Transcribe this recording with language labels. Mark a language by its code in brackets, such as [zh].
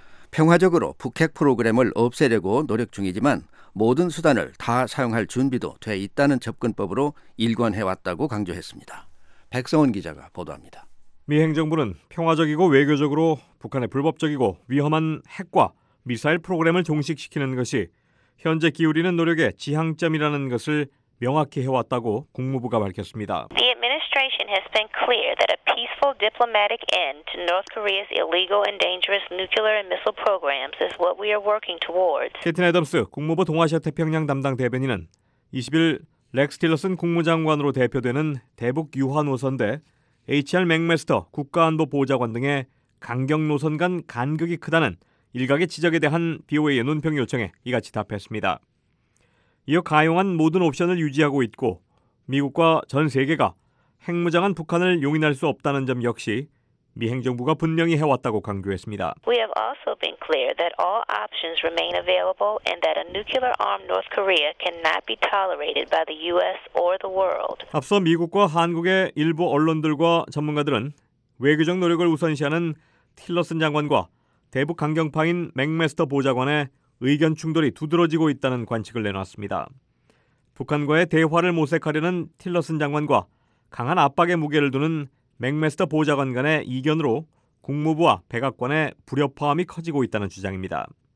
[ko] 평화적으로 북핵 프로그램을 없애려고 노력 중이지만 모든 수단을 다 사용할 준비도 돼 있다는 접근법으로 일관해왔다고 강조했습니다. 백성원 기자가 보도합니다. 미 행정부는 평화적이고 외교적으로 북한의 불법적이고 위험한 핵과 미사일 프로그램을 종식시키는 것이 현재 기울이는 노력의 지향점이라는 것을 명확히 해왔다고 국무부가 밝혔습니다. [en] The administration has been clear that a peaceful diplomatic end to North Korea's illegal and dangerous nuclear and missile programs is what we are working towards. [ko] 캐틴 애덤스 국무부 동아시아 태평양 담당 대변인은 20일 렉스 틸러슨 국무장관으로 대표되는 대북 유화 노선대 HR 맥메스터 국가안보 보좌관 등의 강경 노선 간 간격이 크다는 일각의 지적에 대한 BOA의 논평 요청에 이같이 답했습니다. 이어 가용한 모든 옵션을 유지하고 있고 미국과 전 세계가 핵무장한 북한을 용인할 수 없다는 점 역시 미 행정부가 분명히 해왔다고 강조했습니다. [en] We have also been clear that all options remain available and that a nuclear-armed North Korea cannot be tolerated by the U.S. or the world. [ko] 앞서 미국과 한국의 일부 언론들과 전문가들은 외교적 노력을 우선시하는 틸러슨 장관과 대북 강경파인 맥메스터 보좌관의 의견 충돌이 두드러지고 있다는 관측을 내놨습니다. 북한과의 대화를 모색하려는 틸러슨 장관과 강한 압박의 무게를 두는 맥메스터 보좌관 간의 이견으로 국무부와 백악관의 불협화음이 커지고 있다는 주장입니다.